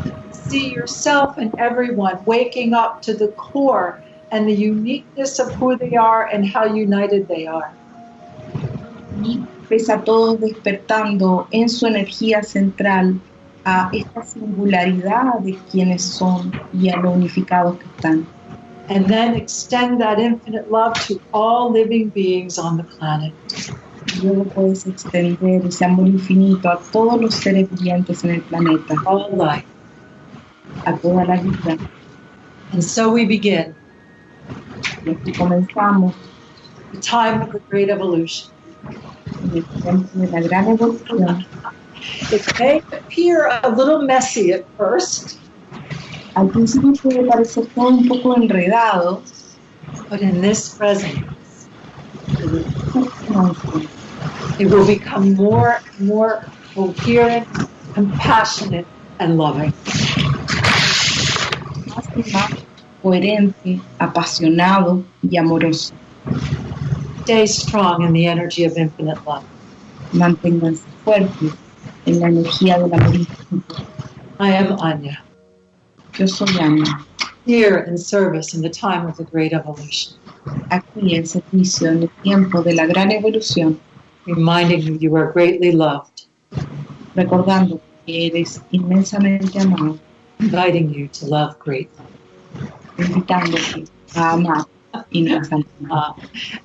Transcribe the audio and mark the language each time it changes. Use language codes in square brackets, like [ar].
[en] See yourself and everyone waking up to the core and the uniqueness of who they are and how united they are. [es] Y ves a todos despertando en su energía central a esta singularidad de quienes son y a lo unificados que están. [en] And then extend that infinite love to all living beings on the planet. [es] Y luego puedes extender ese amor infinito a todos los seres vivientes en el planeta. [en] All life. [es] A toda la vida. [en] And so we begin. [es] Y aquí comenzamos. [en] The time of the great evolution. [es] De la gran evolución. [en] It may appear a little messy at first. [es] Al principio puede parecer todo un poco enredado. [en] But in this presence, it will become more and more coherent, compassionate, and loving. [es] Coherente, apasionado y amoroso. [en] Stay strong in the energy of infinite love. [es] Manténganse fuertes en la energía del amor infinito. [en] I am Anya. [es] Yo soy Anya. [en] Here in service in the time of the great evolution. [es] Aquí en servicio en el tiempo de la gran evolución. [en] Reminding you, you are greatly loved. [es] Recordando que eres inmensamente amado. [en] Inviting you to love greatly. [es] Invitándote a amar inmensamente.